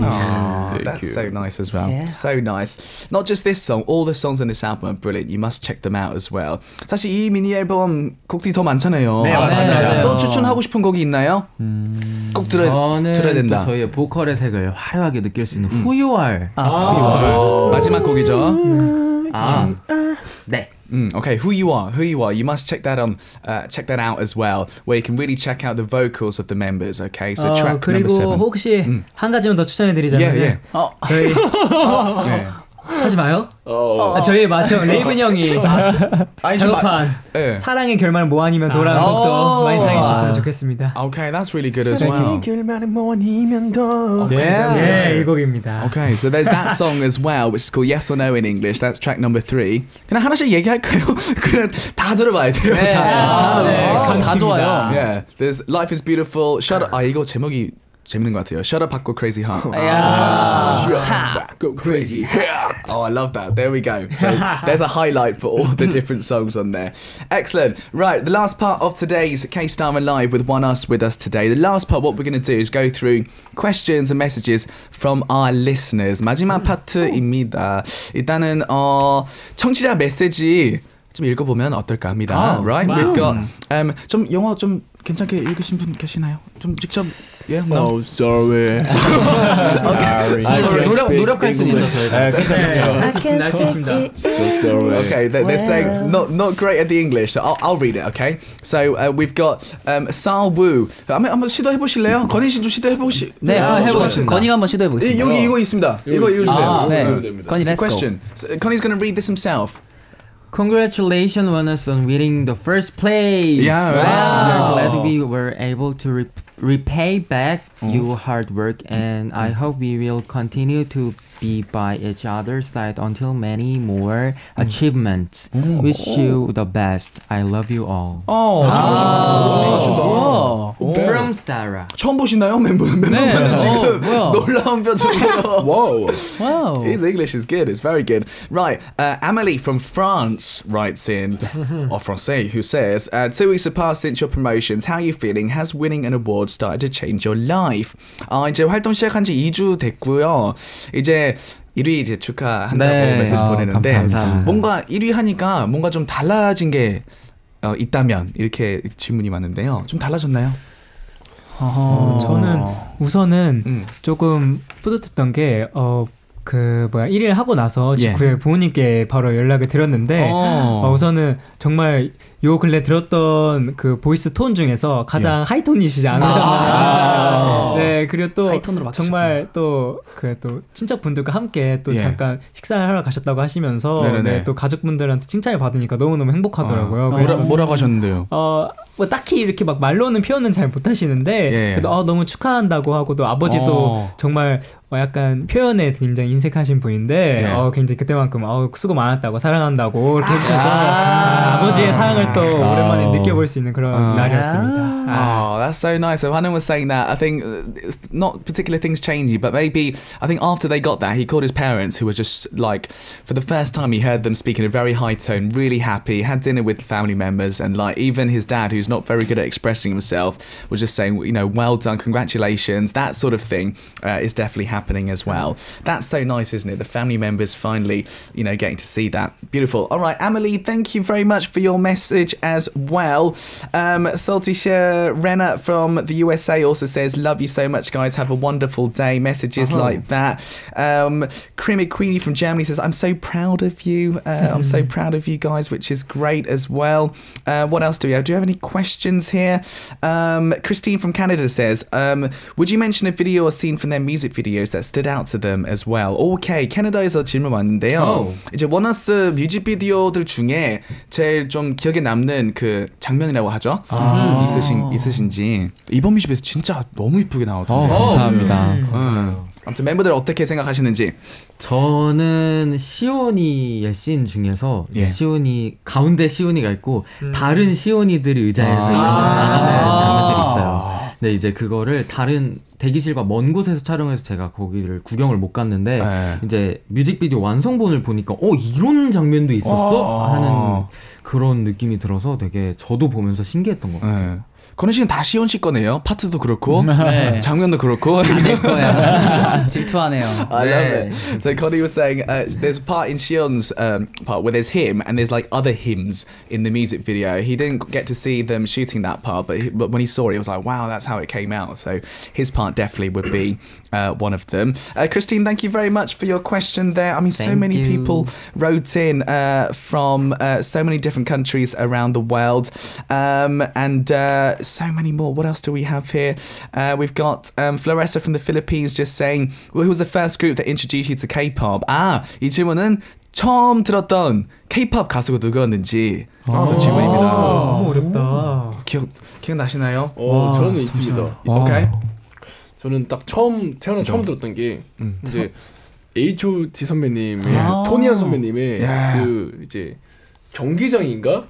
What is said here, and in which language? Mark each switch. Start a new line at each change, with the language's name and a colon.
English: Aww, thank that's you. So nice as well. Yeah. So nice. Not just this song, all the songs in this album are brilliant. You must check them out as well.
Korean: 사실 이 미니 앨범 곡들이 더 많잖아요. 네, 맞아요. 또 추천하고 싶은 곡이 있나요? 꼭 들어야 된다. 저희의 보컬의 색을 화려하게 느낄 수 있는 Who You Are. 마지막 곡이죠. 네.
English: Okay, Who You Are, Who You Are. You must check that check that out as well, where you can really check out the vocals of the members. Okay, so track number 7.
Korean: 그리고 혹시 한 가지만 더 추천해드리자면,
English: yeah, yeah.
Korean: 저희 하지 마요. 저희 마침 레이븐 형이 작업한 사랑의 결말은 뭐 아니면 도라는 곡도 많이 사랑해 주셨으면 좋겠습니다.
English: Okay, that's really good as well.
Korean: 사랑의 결말은 뭐 아니면 도. 네, 이 곡입니다.
English: Okay, so there's that song as well, which is called Yes or No in English. That's track number 3.
Korean: 그냥 하나씩 얘기할까요? 그냥 다 들어봐야 돼요. 네, 다 좋아요.
English: Yeah, there's Life is Beautiful. Shut up.
Korean: 아, 이거 제목이 재밌는 것 같아요.
English: Shut up, go crazy, huh? Yeah. Oh, shut up, go crazy. Oh, I love that. There we go. So there's a highlight for all the different songs on there. Excellent. Right, the last part of today's K-Starman Live with One Us with us today. The last part, what we're going to do is go through questions and messages from our listeners.
Korean: 마지막 파트입니다. 일단은 청취자 메시지 좀 읽어보면 어떨까 합니다.
English: Oh, right, wow. We've got
Korean: 좀 영어 좀 괜찮게 읽으신 분 계시나요? 좀 직접
English: yeah, no. Oh, sorry. Sorry. Okay.
Korean: 노력할 수 있죠, 저희가. 괜찮아요. 할 수 있습니다.
English: So sorry. Okay, they're saying not great at the English. So I'll read it, okay? So we've got Sal Wu.
Korean: 한번 시도해 보실래요? 건희 씨도 시도해 보시. 네, 해 보겠습니다. 건희가 한번 시도해 보겠습니다. 여기 이거 있습니다. 이거 읽으세요. 네. 건희
English: let's go. Question. Connie's going to read this himself. Congratulations, Oneus, on winning the first place. Yeah, wow. Wow. We're glad we were able to repay back your hard work, and I hope we will continue to be by each other's side until many more achievements. Wish you the best. I love you all.
Korean: Oh, 잘하셨다.
English: From Sarah.
Korean: 처음 보시나요, 멤버는 지금 놀라운 표정이에요.
English: Wow. Wow. His English is good. It's very good. Right, Amelie from France writes in, or Francais, who says, 2 weeks have passed since your promotions. How are you feeling? Has winning an award started to change your life?
Korean: 아, 이제 활동 시작한 지 2주 됐고요. 이제 1위 이제 축하한다고 네. 메시지 보내는데 감사합니다. 뭔가 1위 하니까 뭔가 좀 달라진 게 있다면 이렇게 질문이 왔는데요. 좀 달라졌나요? 저는 우선은 조금 뿌듯했던 게 그 뭐야 1위를 하고 나서 직후에 예. 부모님께 바로 연락을 드렸는데 우선은 정말 요 근래 들었던 그 보이스 톤 중에서 가장 예. 하이톤이시지 않으셨나 아, 진짜 네 그리고 또 정말 또 그 또 친척분들과 함께 또 예. 잠깐 식사하러 가셨다고 하시면서 네, 또 가족분들한테 칭찬을 받으니까 너무너무 행복하더라고요 뭐라고 하셨는데요? 뭐 딱히 이렇게 막 말로는 표현은 잘 못하시는데 예. 그래도 너무 축하한다고 하고도 아버지도 정말 약간 표현에 굉장히 인색하신 분인데 예. 굉장히 그때만큼 수고 많았다고 사랑한다고 이렇게 해주셔서 아버지의 사랑을 또 오랜만에 느껴볼 수 있는 그런 날이었습니다.
English: Oh, that's so nice. So Hanun was saying that I think not particular things changing, but maybe I think after they got that, he called his parents, who were just like for the first time he heard them speak in a very high tone, really happy. Had dinner with family members, and like even his dad, who's not very good at expressing himself, was just saying, you know, well done, congratulations, that sort of thing is definitely happening as well. That's so nice, isn't it? The family members finally, you know, getting to see that. Beautiful. All right, Amelie, thank you very much for your message as well. Saltisha Renner from the USA also says, love you so much, guys. Have a wonderful day. Messages like that. Krimi Queenie from Germany says, I'm so proud of you. I'm so proud of you guys, which is great as well. What else do we have? Do you have any questions here? Christine from Canada says, would you mention a video or scene from their music videos that stood out to them as well?
Korean: Okay, 캐나다에서 질문 왔는데요. 이제 원하스 뮤직비디오들 중에 제일 좀 기억에 남는 그 장면이라고 하죠? 있으신지. 이번 뮤직비디오 진짜 너무 이쁘게 나오던데. 감사합니다. 아무튼 멤버들 어떻게 생각하시는지. 저는 시온이의 씬 중에서 시온이 가운데 시온이가 있고 다른 시온이들이 의자에서 일어나서 나가는 장면들이 있어요. 근데 이제 그거를 다른 대기실과 먼 곳에서 촬영해서 제가 거기를 구경을 못 갔는데 이제 뮤직비디오 완성본을 보니까 이런 장면도 있었어? 하는 그런 느낌이 들어서 되게 저도 보면서 신기했던 것 같아요. 그는 지금 다 시온 씨 거네요. 파트도 그렇고 장면도 그렇고 질투하네요.
English: So Connie was saying there's a part in Sion's part where there's him and there's like other hymns in the music video. He didn't get to see them shooting that part, but when he saw it, he was like, wow, that's how it came out. So his part definitely would be one of them. Christine, thank you very much for your question there. I mean, thank so many you. People wrote in from so many different countries around the world. So many more. What else do we have here? We've got Floressa from the Philippines just saying, who was the first group that introduced you to K-pop?
Korean: 이 질문은 처음 들었던 K-pop 가수가 누구였는지 저 질문입니다. 너무 어렵다. 기억나시나요? 저는 있습니다. 오케이. 저는 딱 처음 태어나 처음 들었던 게 이제 H.O.T 선배님의 토니안 선배님의 그 이제 경기장인가?